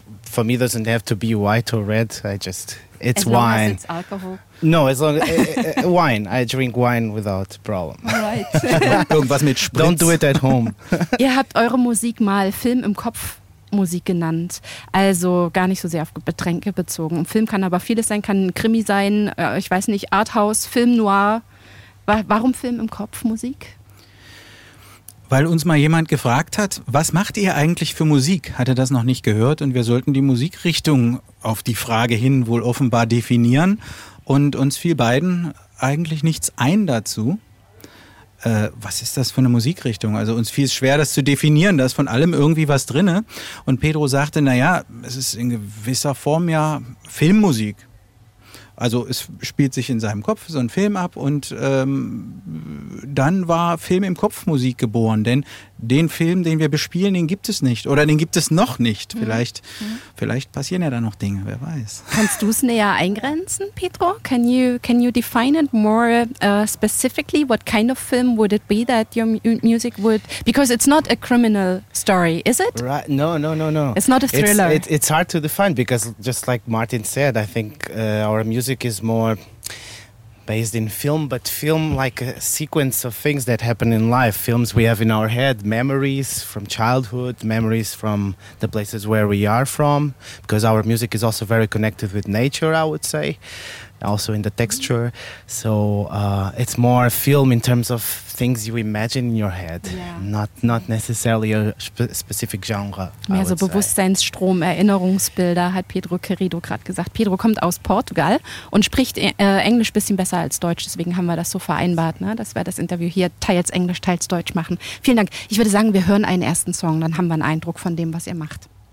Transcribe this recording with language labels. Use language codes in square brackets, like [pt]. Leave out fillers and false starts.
[en] For me doesn't have to be white or red, I just, it's as wine. As long as it's alcohol. No, it's only wine. I drink wine without problem. Right. [de] Irgendwas mit Spritz. [en] Don't do it at home. [de] Ihr habt eure Musik mal Film im Kopf Musik genannt. Also gar nicht so sehr auf Getränke bezogen. Film kann aber vieles sein, kann ein Krimi sein, ich weiß nicht, Arthouse, Film Noir. Warum Film im Kopf Musik? Weil uns mal jemand gefragt hat, was macht ihr eigentlich für Musik? Hat er das noch nicht gehört und wir sollten die Musikrichtung auf die Frage hin wohl offenbar definieren. Und uns fiel beiden eigentlich nichts ein dazu, was ist das für eine Musikrichtung? Also uns fiel es schwer, das zu definieren, da ist von allem irgendwie was drinne. Und Pedro sagte, naja, es ist in gewisser Form ja Filmmusik. Also es spielt sich in seinem Kopf so ein Film ab und dann war Film im Kopf Musik geboren. Denn den Film, den wir bespielen, den gibt es nicht oder den gibt es noch nicht. Vielleicht passieren ja da noch Dinge, wer weiß. Kannst du es näher eingrenzen, Pedro? [en] Can you define it more specifically? What kind of film would it be that your music would... Because it's not a criminal story, is it? Right. No. It's not a thriller. It's hard to define because just like Martin said, I think our music is more based in film, but film like a sequence of things that happen in life. Films we have in our head, memories from childhood, memories from the places where we are from, because our music is also very connected with nature, I would say, also in the texture. So it's more film in terms of things you imagine in your head, yeah. not necessarily a specific genre. [de] Mehr so Bewusstseinsstrom, Erinnerungsbilder, hat Pedro Querido gerade gesagt. Pedro kommt aus Portugal und spricht Englisch ein bisschen besser als Deutsch, deswegen haben wir das so vereinbart, ne? Dass wir das Interview hier teils Englisch, teils Deutsch machen. Vielen Dank. Ich würde sagen, wir hören einen ersten Song, dann haben wir einen Eindruck von dem, was ihr macht.